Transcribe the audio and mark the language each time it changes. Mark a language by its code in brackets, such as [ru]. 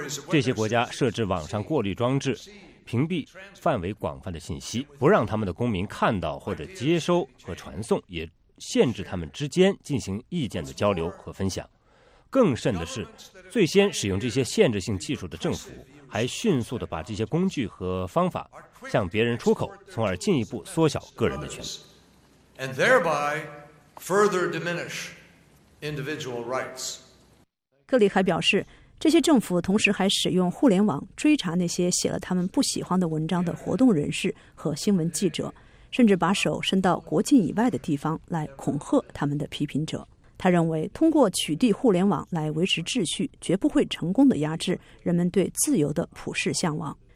[zh] 这些国家设置网上过滤装置，屏蔽范围广泛的信息，不让他们的公民看到或者接收和传送，也限制他们之间进行意见的交流和分享。更甚的是，最先使用这些限制性技术的政府还迅速地把这些工具和方法向别人出口，从而进一步缩小个人的权利。 [en] And thereby further diminish individual rights. [zh] 克里还表示，这些政府同时还使用互联网追查那些写了他们不喜欢的文章的活动人士和新闻记者，甚至把手伸到国境以外的地方来恐吓他们的批评者。他认为，通过取缔互联网来维持秩序，绝不会成功地压制人们对自由的普世向往。